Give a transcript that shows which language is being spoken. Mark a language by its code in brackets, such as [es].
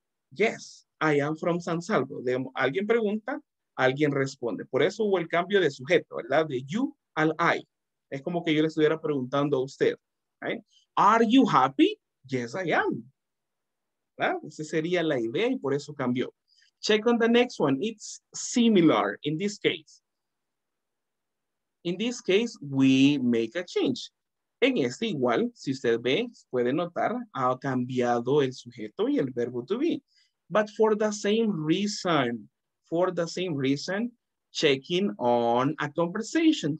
[en] Yes, I am from San Salvador. [es] Alguien pregunta, alguien responde. Por eso hubo el cambio de sujeto, ¿verdad? De you al I. Es como que yo le estuviera preguntando a usted, ¿right? [en] Are you happy? Yes, I am. [es] ¿Verdad? Esa sería la idea y por eso cambió. [en] Check on the next one. It's similar in this case. In this case, we make a change. [es] En este igual, si usted ve, puede notar, ha cambiado el sujeto y el verbo to be. [en] But for the same reason, checking on a conversation.